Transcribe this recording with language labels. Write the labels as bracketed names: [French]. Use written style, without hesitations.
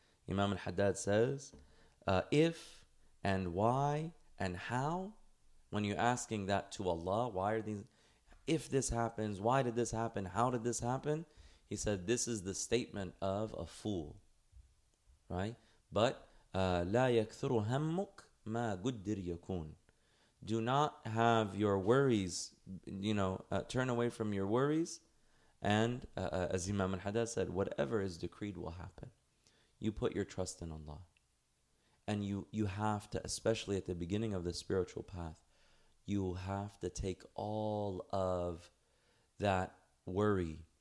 [English] Imam al-Haddad says, if and why and how, when you're asking that to Allah, why are these, if this happens, why did this happen, how did this happen? He said, this is the statement of a fool, right? But [Arabic] لَا يَكْثُرُ هَمُّكْ مَا قُدِّرْ يَكُونْ. [English] Do not have your worries, you know, turn away from your worries. And as Imam al-Haddad said, whatever is decreed will happen. You put your trust in Allah. And you have to, especially at the beginning of the spiritual path, you have to take all of that worry,